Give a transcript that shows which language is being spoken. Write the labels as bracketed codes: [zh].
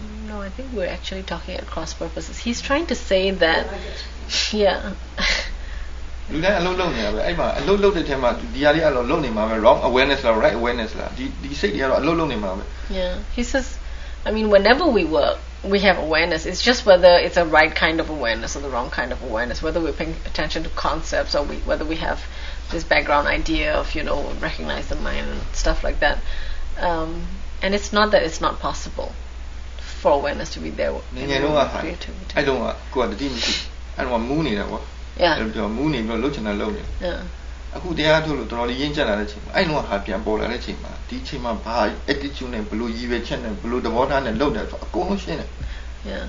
[en] No, I think we're actually talking at cross purposes He's trying to say that yeah [my] လူတိုင်းအလုပ်လုပ်နေရပဲအဲ့မှာအလုပ်လုပ်တဲ့ထဲမှာဒီရားလေးအလုပ်လုပ်နေမှာပဲ [en] wrong awareness [my] လား [en] right awareness [my] လားဒီစိတ်တွေကတော့အလုပ်လုပ်နေမှာပဲ [en] Yeah he says I mean whenever we work we have awareness it's just whether it's a right kind of awareness or the wrong kind of awareness whether we're paying attention to concepts or whether we have this background idea of you know recognize the mind and stuff like that and it's not that it's not possible for awareness to be there [my] ငယ်တော့ဟာအဲ့တော့ကိုယ်ကတတိမရှိအဲ့တော့မူးနေတယ်ကွာ [en] Yeah. [my] ပြောမူးနေပြီးလှုပ်ချင်တာလှုပ်နေ [en] Yeah. [my] အခုတရားထုတ်လို့တော်တော်လေးရင်းကျက်လာတဲ့ချိန်မှာအဲ့လိုကဟာပြန်ပေါ်လာတဲ့ချိန်မှာဒီချိန်မှာဘာ attitude နဲ့ဘလို့ရည်ရွယ်ချက်နဲ့ဘလို့သဘောထားနဲ့လှုပ်တယ်ဆိုအကုန်လုံးရှင်းတယ် [en] Yeah.